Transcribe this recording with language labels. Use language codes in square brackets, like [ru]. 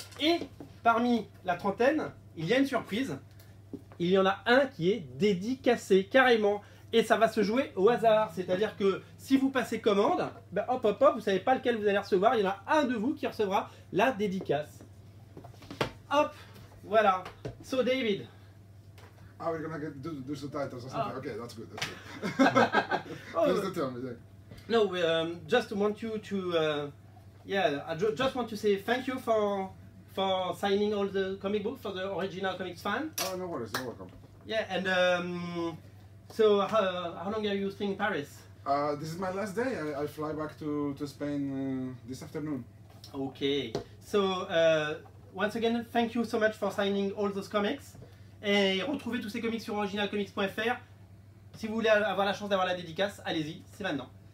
[fr] Et parmi la trentaine, il y a une surprise, il y en a un qui est dédicacé carrément. Et ça va se jouer au hasard, c'est-à-dire que si vous passez commande, ben hop hop hop, vous savez pas lequel vous allez recevoir, il y en a un de vous qui recevra la dédicace. Hop, voilà. [en] So David, oh, we're gonna get do some titles or something. Oh. Okay, that's good. That's good. Oh, just to tell me. No, we just want you to, yeah, I just want to say thank you for signing all the comic books for the original comics fan. Oh, no worries, you're welcome. Yeah, and so how long are you staying in Paris? This is my last day. I fly back to Spain this afternoon. Okay. So once again, thank you so much for signing all those comics. [fr] Et retrouvez tous ces comics sur originalcomics.fr. Si vous voulez avoir la chance d'avoir la dédicace, allez-y, c'est maintenant.